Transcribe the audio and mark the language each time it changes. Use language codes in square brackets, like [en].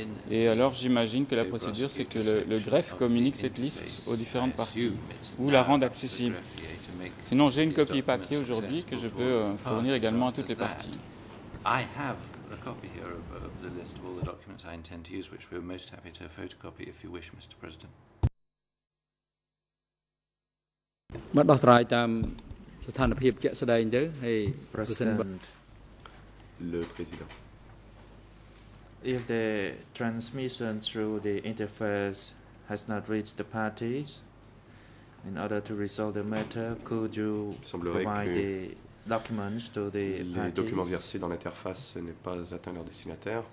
[fr] Et alors, j'imagine que la procédure, c'est que le greffe communique cette liste aux différentes parties ou la rende accessible. Sinon, j'ai une copie papier aujourd'hui que je peux fournir également à toutes les parties. [en] I have a copy here of the list of all the documents I intend to use, which we're most happy to photocopy if you wish, Mr. President. [fr] Le président. [en] If the transmission through the interface has not reached the parties, in order to resolve the matter, could you provide the documents to the parties? [fr] Les documents versés dans l'interface n'aient pas atteint leur destinataire.